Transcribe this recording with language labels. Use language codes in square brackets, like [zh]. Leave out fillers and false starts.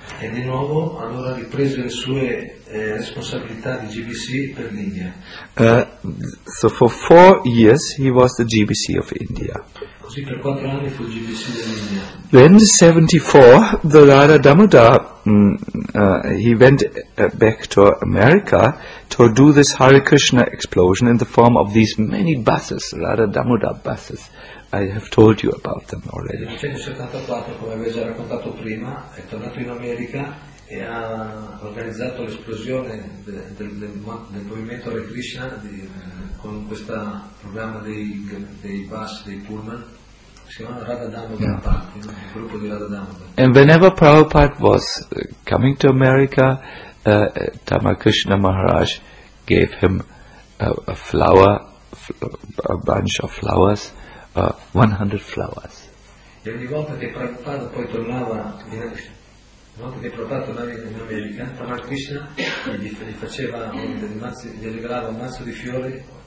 [it] E di nuovo allora riprese le sue responsabilità di GBC per l'India. [en] So for 4 years he was the GBC of India. [it] Così per 4 anni fu il GBC dell'India. [en] Then 74 the Radha Damodar he went back to America to do this Hare Krishna explosion in the form of these many buses, Radha Damodar buses. I have told you about them already. [it] Nel 1974, come avevo già raccontato prima, è tornato in America e ha organizzato l'esplosione del movimento Hare Krishna con questo programma dei bus, dei pullman. [en] And whenever Prabhupada was coming to America, Tamakrishna Maharaj gave him a bunch of flowers, 100 flowers. [it] E ogni volta che Prabhupada poi tornava in America, Tamakrishna gli faceva gli regalava un mazzo di fiori.